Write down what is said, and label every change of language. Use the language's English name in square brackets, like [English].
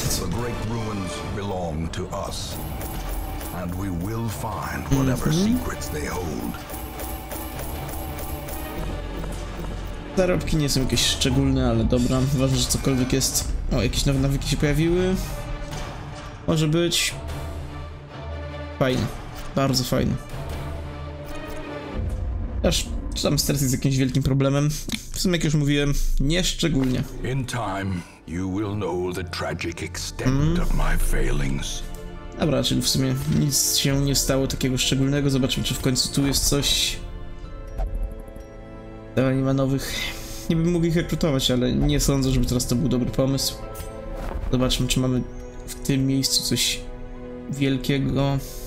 [English] The great ruins belong to us. And we will find whatever secrets they hold. [Polish] Zarobki nie są jakieś szczególne, ale dobra. Ważne, że cokolwiek jest. O, jakieś nowe nawyki się pojawiły. Może być. Fajne. Bardzo fajne. Aż czy tam stres jest jakimś wielkim problemem. W sumie, jak już mówiłem, nie szczególnie. [English] In time, you will know the tragic extent of my failings. [Polish] Dobra, czyli w sumie nic się nie stało takiego szczególnego. Zobaczmy, czy w końcu tu jest coś. Dawaj, nie ma nowych. Nie bym mógł ich rekrutować, ale nie sądzę, żeby teraz to był dobry pomysł. Zobaczmy, czy mamy w tym miejscu coś wielkiego.